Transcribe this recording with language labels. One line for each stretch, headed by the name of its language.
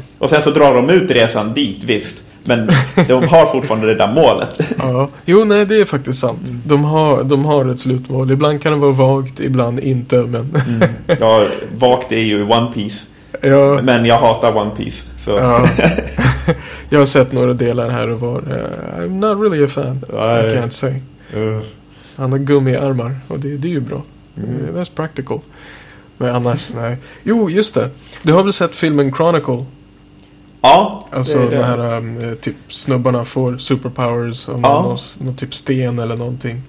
Swedish: Och sen så drar de ut resan dit, visst, men de har fortfarande det där målet. Ja. Jo, nej, det är faktiskt sant. De har ett slutmål. Ibland kan det vara vagt, ibland inte, men... Ja, vagt är ju One Piece. Ja. Men jag hatar One Piece, så... Ja. Jag har sett några delar här och var...
English: I'm not really a fan, I can't say.
Swedish: Han har gummiarmar, och det är ju bra. Mm.
English: That's practical.
Swedish: Men annars, nej. Jo, just det. Du har väl sett filmen Chronicle? Ja, alltså det här typ snubbarna får superpowers om någon typ sten eller någonting.